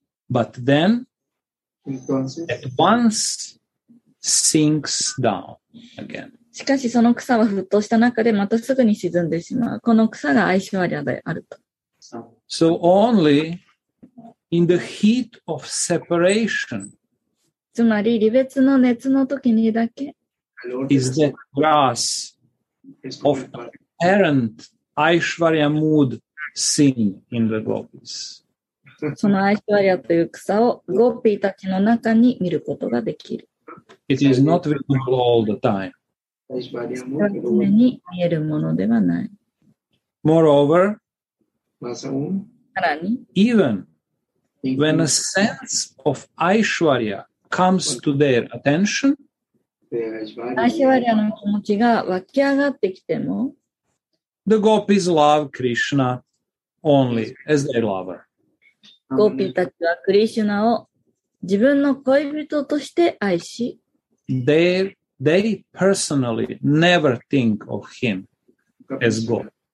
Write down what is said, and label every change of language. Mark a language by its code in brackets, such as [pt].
[en] But then, at once, sinks down again. [ja] しかし、その草は沸騰した中で、またすぐに沈んでしまう。この草がアイシュワリアであると。 [en] So only in the heat of separation, [ja] つまり、離別の熱の時にだけ、 [en] is that grass of apparent Aishwarya mood seen in the gopis. [ja] そのアイシュワリアという草をゴピーたちの中に見ることができる。 [en] It is not visible all the time. [ja] 常に見えるものではない。 [en] Moreover, [ja] さらに、 [en] even when a sense of Aishwarya comes to their attention, [ja] アイシュワリアの気持ちが湧き上がってきても、 [en] the gopis love Krishna only as their lover. [ja] ゴピーたちはクリシュナを自分の恋人として愛し、 [en] They personally never think of him as God.